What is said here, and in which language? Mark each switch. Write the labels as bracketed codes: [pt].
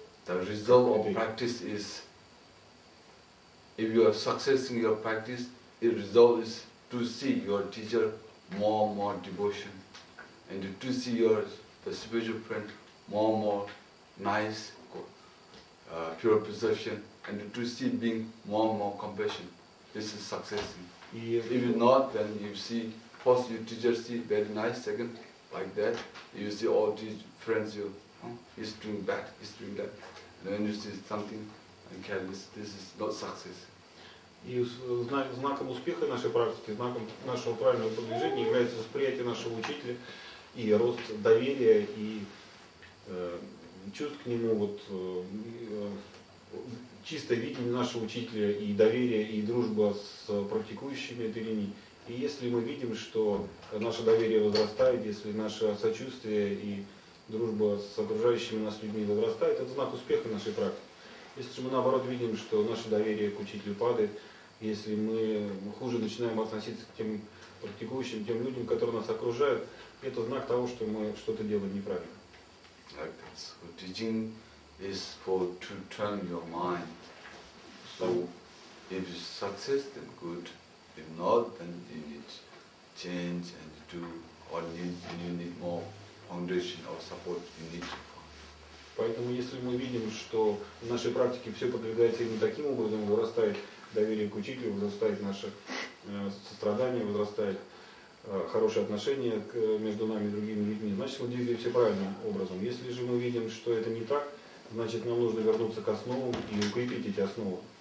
[en] The result of practice is, if you are successing your practice, the result is to see your teacher more and more devotion, and to see your the spiritual friend more and more nice, pure perception, and to see being more and more compassion. This is success. If not, then you see, first your teacher see very nice, second, like that, you see all these friends, you, he's doing bad, he's doing that. And then you see something, and careless, this is not success. [ru] И знаком успеха нашей практики, знаком нашего правильного продвижения является восприятие нашего учителя и рост доверия и чувств к нему, вот чистое видение нашего учителя и доверие и дружба с практикующими этой линии. И если мы видим, что наше доверие возрастает, если наше сочувствие и дружба с окружающими нас людьми возрастает, это знак успеха нашей практики. Если же мы наоборот видим, что наше доверие к учителю падает, если мы хуже начинаем относиться к тем практикующим, тем людям, которые нас окружают, это знак того, что мы что-то делаем неправильно. [en] Like that. So teaching is for to turn your mind. So if it's success, then good. If not, then you need change and do or you need more foundation or support you need. [ru] Поэтому если мы видим, что в нашей практике все продвигается именно таким образом, вырастает доверие к учителю, возрастает наше сострадание, возрастает хорошие отношения между нами и другими людьми, значит, мы двигаемся правильным образом. Если же мы видим, что это не так, значит, нам нужно вернуться к основам и укрепить эти основы.